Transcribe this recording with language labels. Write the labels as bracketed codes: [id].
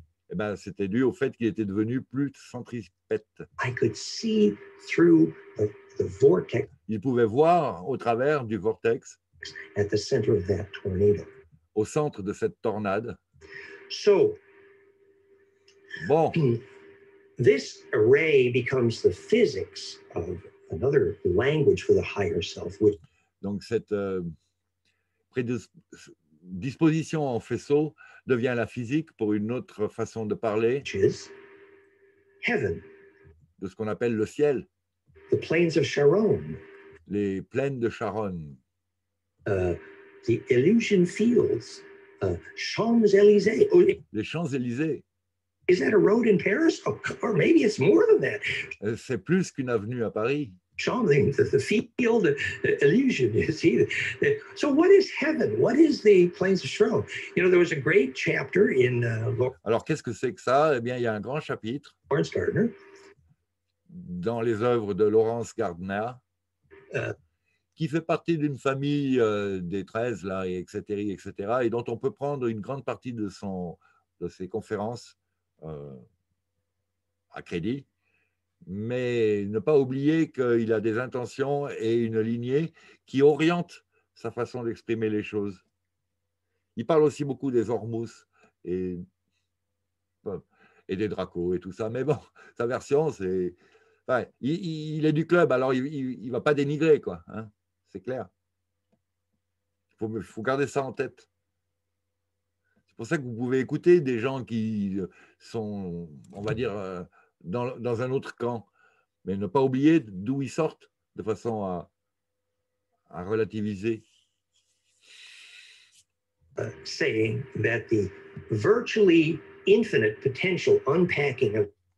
[fr] Eh ben, c'était dû au fait qu'il était devenu plus centripète. [en] I could see through the vortex. [fr] Il pouvait voir au travers du vortex. [en] At the center of that tornado. [fr] Au centre de cette tornade. [en] So, [fr] bon. [en] This array becomes the physics of another language for the higher self. Which [fr] donc cette disposition en faisceau devient la physique pour une autre façon de parler. [en] Which is heaven. [fr] De ce qu'on appelle le ciel. [en] The plains of Sharon. [fr] Les plaines de Sharon. [en] The Elysian fields. Champs-Élysées. [fr] Les Champs-Élysées. [en] Is that a road in Paris? Or maybe it's more than that. [fr] C'est plus qu'une avenue à Paris. [en] Champs, the field, the illusion, you see. So what is heaven? What is the plains of Sharon? You know, there was a great chapter in... [fr] Alors, qu'est-ce que c'est que ça? Eh bien, il y a un grand chapitre. [en] Lawrence Gardner. [fr] Dans les œuvres de Lawrence Gardner. Qui fait partie d'une famille des 13, là, etc., et dont on peut prendre une grande partie de ses conférences à crédit, mais ne pas oublier qu'il a des intentions et une lignée qui oriente sa façon d'exprimer les choses. Il parle aussi beaucoup des Ormus et des Draco et tout ça, mais bon, sa version, c'est... Ouais, il est du club, alors il ne va pas dénigrer, quoi, hein. C'est clair. Il faut garder ça en tête. C'est pour ça que vous pouvez écouter des gens qui sont, on va dire, dans un autre camp, mais ne pas oublier d'où ils sortent, de façon à relativiser. [en] Saying that the virtually infinite potential unpacking of...